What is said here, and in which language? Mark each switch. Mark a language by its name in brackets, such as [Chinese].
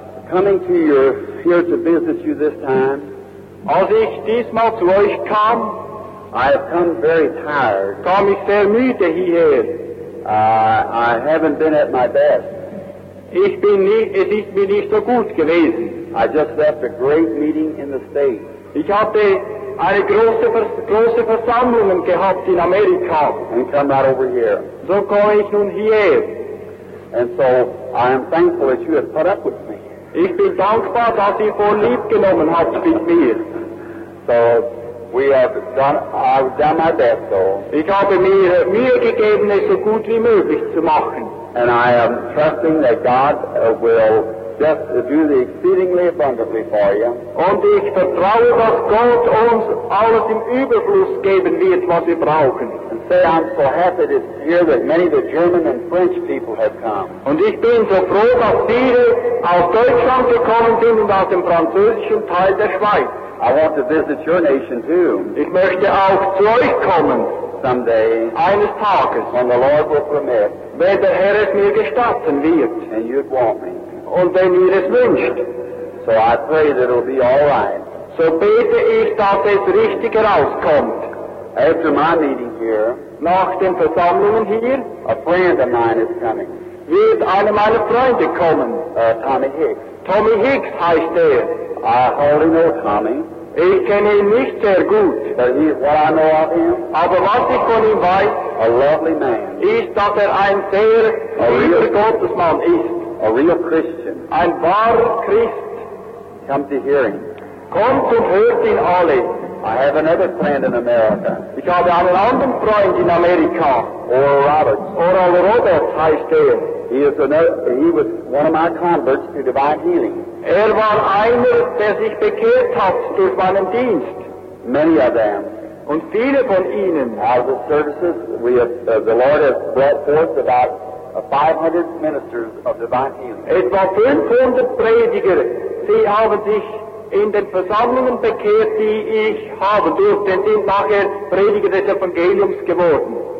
[English] Coming to you here to visit you this time. [German] Als ich diesmal zu euch kam, [English] I have come very tired. [German] Kam ich sehr müde hierher. [English] I haven't been at my best. [German] Ich bin nicht, es ist mir nicht so gut gewesen. [English] I just left a great meeting in the States. [German] Ich hatte eine große Versammlung gehabt in Amerika. [English] And come right over here. [German] So komme ich nun hier. [English] And so I am thankful that you have put up with me. [German] Ich bin dankbar, dass ihr vor lieb genommen habt mit mir. [English] So we have done, I've done my best, though. [German] Ich habe mir Mühe gegeben, es so gut wie möglich zu machen. [English] And I am trusting that God will just do the exceedingly abundantly for you. [German] Und ich vertraue, dass Gott uns alles im Überfluss geben wird, was wir brauchen. [English] And say, I'm so happy to hear that many of the German and French people have come. [German] Und ich bin so froh, dass viele aus Deutschland gekommen sind und aus dem französischen Teil der Schweiz. [English] I want to visit your nation too. [German] Ich möchte auch zu euch kommen. [English] Someday. [German] Eines Tages. [English] When the Lord will permit. [German] Wenn der Herr es mir gestatten wird. [English] And you'd want me. [German] Und wenn ihr es wünscht. [English] So I pray that it'll be all right. [German] So bete ich, dass es richtig herauskommt. [English] After my meeting here. [German] Nach den Versammlungen hier. [English] A friend of mine is coming. [German] Wird einer meiner Freunde kommen. [English] Tommy Hicks. [German] Tommy Hicks heißt er. [English] I hardly know Tommy. [German] Ich kenne ihn nicht sehr gut. [English] But he, what I know of him. [German] Aber was ich von ihm weiß. [English] A lovely man. [German] Ist, dass er ein sehr lieber Gottesmann ist. [English] A real Christian. [German] Ein wahrer Christ. [English] Come to hear him. [German] Kommt und hört ihn alle. [English] I have another friend in America. [German] Ich habe einen anderen Freund in Amerika. [English] Oral Roberts. [German] Oral Roberts heißt er. [English] He was one of my converts to divine healing. [German] Er war einer, der sich bekehrt hat durch meinen Dienst. [English] Many of them. [German] Und viele von ihnen. [English] Out of the services, the Lord has brought forth about 500 ministers of divine healing. [German] Etwa 500 Prediger, sie haben sich in den Versammlungen bekehrt, die ich habe durfte, sind nachher Prediger des Evangeliums geworden.